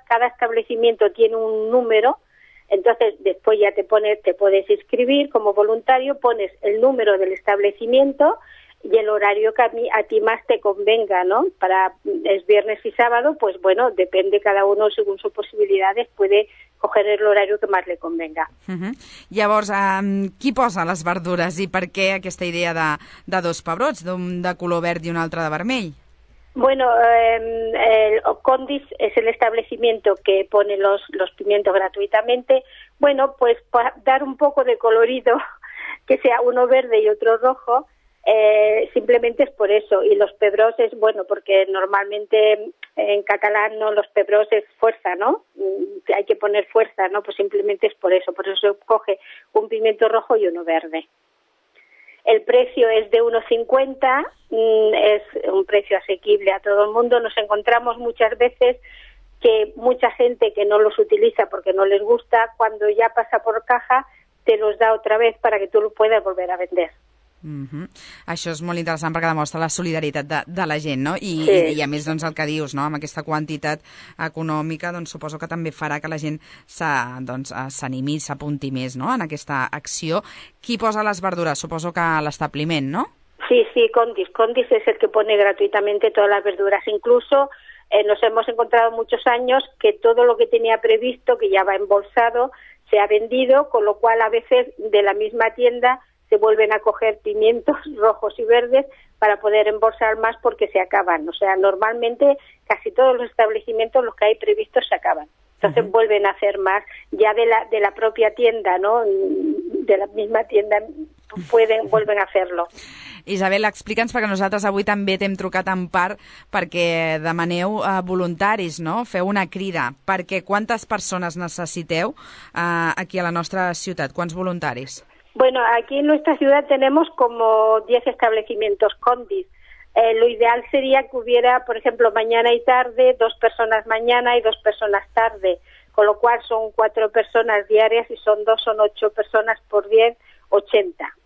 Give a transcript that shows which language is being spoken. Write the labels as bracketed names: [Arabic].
[Spanish] Cada establecimiento tiene un número, entonces después ya te puedes inscribir como voluntario, pones el número del establecimiento y el horario que a ti más te convenga, ¿no? Es viernes y sábado, pues bueno, depende cada uno según sus posibilidades, puede coger el horario que más le convenga. Uh-huh. [Catalan] Llavors, qui posa les verdures i per què aquesta idea de dos pebrots, d'un de color verd i un altre de vermell? [Spanish] Bueno, el CONDIS es el establecimiento que pone los pimientos gratuitamente. Bueno, pues para dar un poco de colorido, que sea uno verde y otro rojo, simplemente es por eso. Y los pebrots es bueno porque normalmente en catalán, ¿no?, los pebrots es fuerza, ¿no? Hay que poner fuerza, ¿no? Pues simplemente es por eso. Por eso se coge un pimiento rojo y uno verde. El precio es de 1,50, es un precio asequible a todo el mundo. Nos encontramos muchas veces que mucha gente que no los utiliza porque no les gusta, cuando ya pasa por caja, te los da otra vez para que tú lo puedas volver a vender. Mm-hmm. [Catalan] Això és molt interessant perquè demostra la solidaritat de la gent, no? I, sí. I a més, doncs, el que dius, no?, amb aquesta quantitat econòmica, doncs, suposo que també farà que la gent s'animi, doncs, s'apunti més, no?, en aquesta acció. Qui posa les verdures? Suposo que l'establiment, no? Sí, sí, CONDIS. [Spanish] CONDIS es el que pone gratuitamente todas las verduras. Incluso nos hemos encontrado muchos años que todo lo que tenía previsto, que ya va embolsado, se ha vendido, con lo cual a veces de la misma tienda se vuelven a coger pimientos rojos y verdes para poder embolsar más porque se acaban. O sea, normalmente casi todos los establecimientos, los que hay previstos, se acaban. Entonces uh-huh. vuelven a hacer más ya de la propia tienda, ¿no? De la misma tienda vuelven a hacerlo. [Catalan] Isabel, explica'ns, perquè nosaltres avui també t'hem trucat en part perquè demaneu voluntaris, no? Feu una crida. Perquè quantes persones necessiteu aquí a la nostra ciutat? Quants voluntaris? [Spanish] Bueno, aquí en nuestra ciudad tenemos como 10 establecimientos CONDIS. Lo ideal sería que hubiera, por ejemplo, mañana y tarde, dos personas mañana y dos personas tarde, con lo cual son 4 personas diarias y son 2, son 8 personas por 10, 80.